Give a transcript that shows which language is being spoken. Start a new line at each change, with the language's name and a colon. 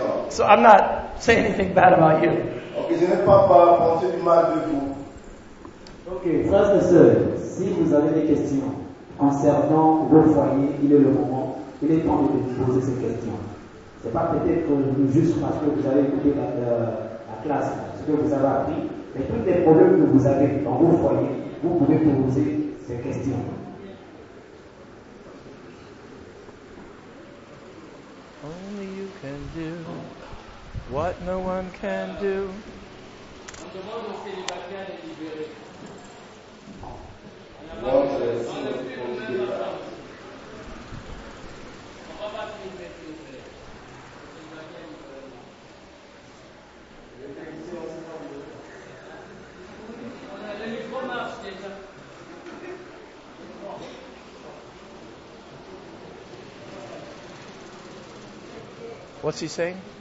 English: So I'm not saying anything bad about you.
French: Okay, je n'ai pas pensé du mal de vous. Okay, frères et sœurs, si vous avez des questions concernant vos foyers, il est le moment, il est temps de poser ces questions. C'est pas peut-être juste parce que vous avez écouté la classe, ce que vous avez appris, mais tous les problèmes que vous avez dans vos foyers, vous pouvez poser ces questions.
English: Only you can do what no one can do. What's he saying?